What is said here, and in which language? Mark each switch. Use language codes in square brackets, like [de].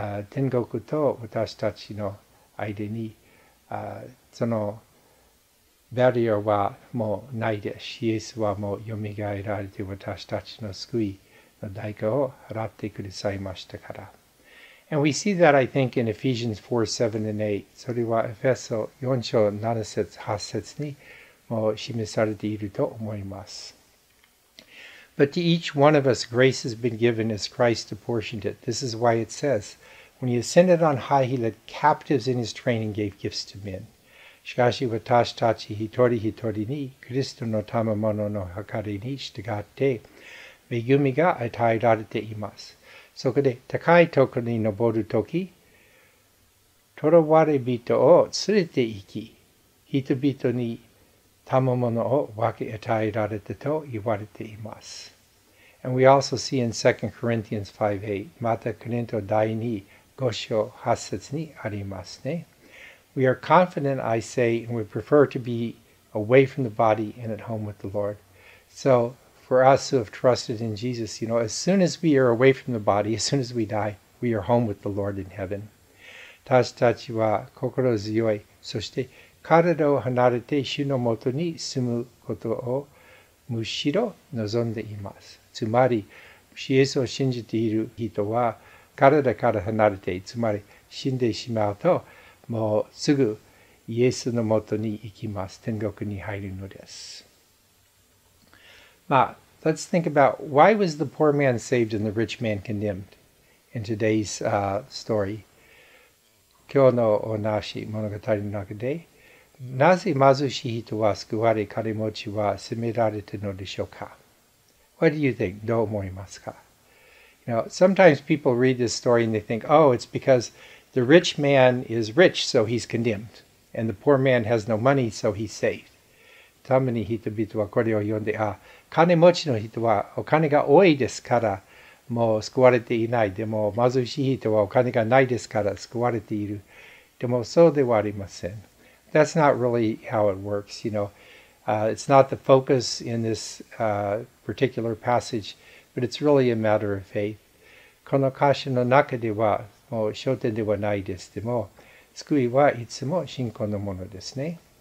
[ja] 天国と私たちの間にそのバリアはもうないです。シエスはもう蘇られて私たちの救いの代価を払ってくださいましたから。 [en] And we see that, I think, in Ephesians 4, 7 and 8. [ja] それはエフェソ4章7節8節にも示されていると思います。 [en] But to each one of us, grace has been given as Christ apportioned it. This is why it says, when he ascended on high, he led captives in his train and gave gifts to men. [ja] しかし私たち一人一人に、クリストの賜物の計りに従って、恵みが与えられています。そこで高いところに登るとき、囚われ人を連れて行き、人々に賜物を分け与えられたと言われています。 [en] And we also see in 2 Corinthians 5:8, [ja] またコリント第2、5章8節にありますね。 [en] We are confident, I say, and we prefer to be away from the body and at home with the Lord. So, for us who have trusted in Jesus, you know, as soon as we are away from the body, as soon as we die, we are home with the Lord in heaven. [ja] 私たちは心強い、そして体を離れて主のもとに住むことをむしろ望んでいます。つまり、イエスを信じている人は体から離れて、つまり死んでしまうと、もうすぐイエスのもとに行きます。天国に入るのです。 [en] まあ、let's think about why was the poor man saved and the rich man condemned in today's story? [ja] 今日のお話、物語の中で、なぜ貧しい人は救われ、金持ちは責められたのでしょうか? [en] What do you think? [ja] どう思いますか? [en] You know, sometimes people read this story and they think, oh, it's because the rich man is rich, so he's condemned. And the poor man has no money, so he's saved. [ja] たまに人々はこれを読んで、金持ちの人はお金が多いですから、もう救われていない。でも貧しい人はお金がないですから救われている。でもそうではありません。 [en] That's not really how it works, you know. It's not the focus in this particular passage, but it's really a matter of faith. [ja] この箇所の中では、もう焦点ではないです。でも、救いはいつも信仰のものですね。